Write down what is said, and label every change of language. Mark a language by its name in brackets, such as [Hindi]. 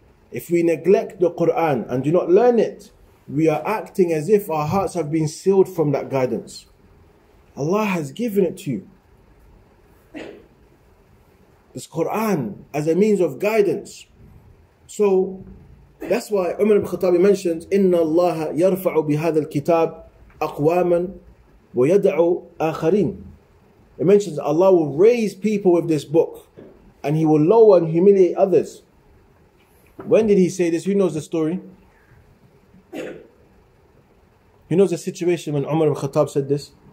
[English] If we neglect the Quran and do not learn it, we are acting as if our hearts have been sealed from that guidance. Allah has given it to you. This Quran as a means of guidance. So that's why Umar ibn Khattab mentions, [Arabic] إِنَّ اللَّهَ يَرْفَعُ بِهَذَا الْكِتَابِ أَقْوَامًا وَيَدْعُ آخَرِينَ. [English] It mentions Allah will raise people with this book and He will lower and humiliate others. When did He say this? Who knows the story? Who knows the situation when Umar ibn Khattab said this?